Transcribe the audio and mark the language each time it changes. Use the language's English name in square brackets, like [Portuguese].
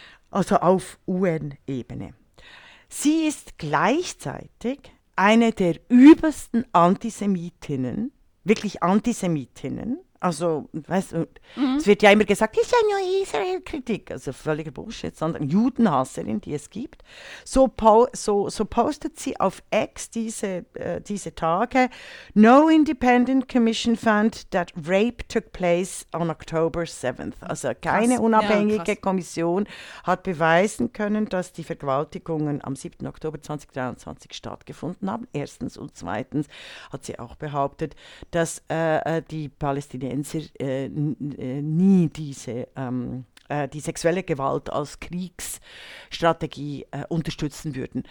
[German] Also auf UN-Ebene. Sie ist gleichzeitig eine der übelsten Antisemitinnen, wirklich Antisemitinnen, also weißt, es wird ja immer gesagt, ist ja nur Israel-Kritik, also völliger Bullshit, sondern Judenhasserin, die es gibt. So postet sie auf X diese Tage: [English] No independent commission found that rape took place on October 7th. [German] Also keine unabhängige Kommission hat beweisen können, dass die Vergewaltigungen am 7. Oktober 2023 stattgefunden haben, erstens. Und zweitens hat sie auch behauptet, dass die Palästinenser nie die sexuelle Gewalt als Kriegsstrategie unterstützen würden.